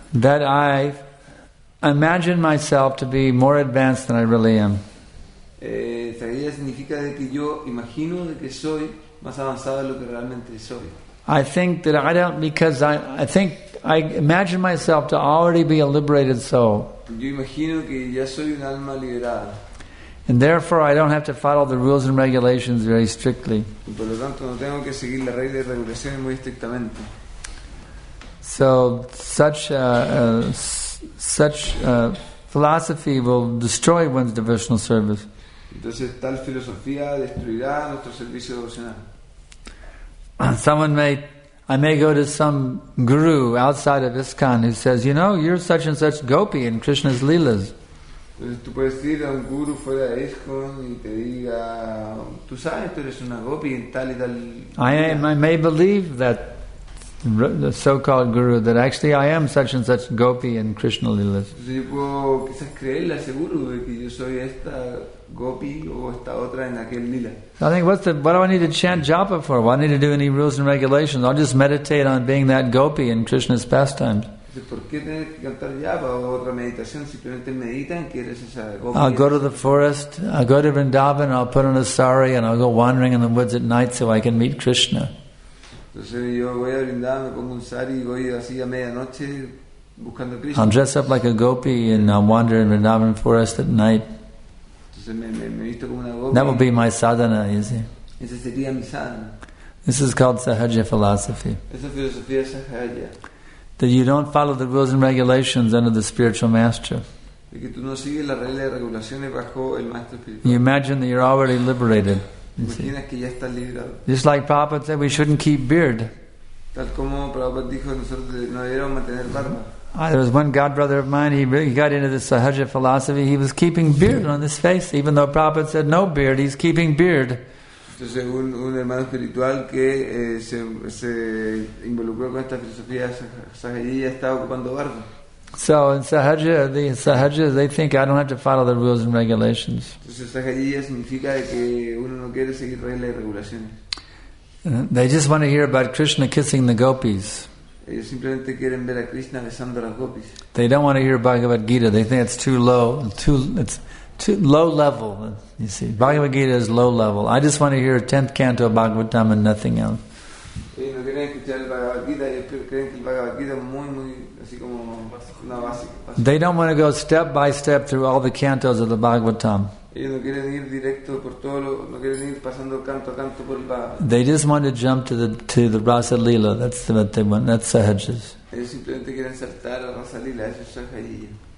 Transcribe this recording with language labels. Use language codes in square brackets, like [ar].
[en] That I imagine myself to be more advanced than I really am. [es] Sahajiya significa de que yo imagino de que soy más avanzado de lo que realmente soy. [en] I think that I don't, because I think I imagine myself to already be a liberated soul. [es] Yo imagino que ya soy un alma liberada. [en] And therefore I don't have to follow the rules and regulations very strictly. [es] Y por lo tanto no tengo que seguir las reglas y regulaciones muy estrictamente. [en] So such philosophy will destroy one's devotional service. [es] Entonces tal filosofía destruirá nuestro servicio devocional. [en] Someone may, I may go to some guru outside of ISKCON who says, you know, you're such and such gopi in Krishna's leelas. [es] Entonces tú puedes ir a un guru fuera de ISKCON y te diga, tú sabes, tú eres una gopi en tal y tal. [en] I may believe that the so-called guru that actually I am such and such gopi in Krishna leelas. [es] Entonces yo puedo quizás creerle a ese guru de que yo soy esta gopi o esta otra en aquel lila. [en] So I think, what do I need to chant japa for? Why do I need to do any rules and regulations? I'll just meditate on being that gopi in Krishna's pastimes. I'll go to the forest, I'll go to Vrindavan, I'll put on a sari and I'll go wandering in the woods at night so I can meet Krishna. [es] Entonces yo voy a Vrindavan, me pongo un sari y voy así a medianoche buscando Krishna. [en] I'll dress up like a gopi and I'll wander in Vrindavan forest at night. That will be my sadhana, you see. [es] Ese sería mi sadhana. [en] This is called Sahaja philosophy. [es] Esa filosofía sahaja. [en] That you don't follow the rules and regulations under the spiritual master. [es] De que tú no sigues las reglas y regulaciones bajo el maestro espiritual. [en] You imagine that you're already liberated. [es] Imaginas que ya estás liberado. [en] Just like Prabhupada said, we shouldn't keep beard. [es] Tal como Prabhupada dijo, nosotros no debemos mantener barba. [en] There was one godbrother of mine, he really got into the Sahaja philosophy, he was keeping beard on his face, even though Prabhupada said no beard, he's keeping beard. [es] Entonces un hermano espiritual que se involucró con esta filosofía sahajiya estaba ocupando barba. [en] So in Sahaja, the Sahaja, they think I don't have to follow the rules and regulations. [es] Entonces sahajiya significa que uno no quiere seguir reglas y regulaciones. [en] They just want to hear about Krishna kissing the gopis. [es] Ellos simplemente quieren ver a Krishna besando a las gopis. [en] They don't want to hear Bhagavad Gita. They think it's too low. It's too low level. You see, Bhagavad Gita is low level. I just want to hear a 10th canto of Bhagavatam and nothing else. [es] Ellos no quieren escuchar el Bhagavad Gita. Ellos creen que el Bhagavad Gita es muy, muy, así como una básica. [en] They don't want to go step by step through all the cantos of the Bhagavatam. [es] Ellos no quieren ir directo por todo lo, no quieren ir pasando canto a canto por el Bhagavatam. [en] They just want to jump to the Rasa Lila. That's what they want. That's Sahajas. [es] Ellos simplemente quieren saltar a Rasa Lila. Eso es Sahajiyas.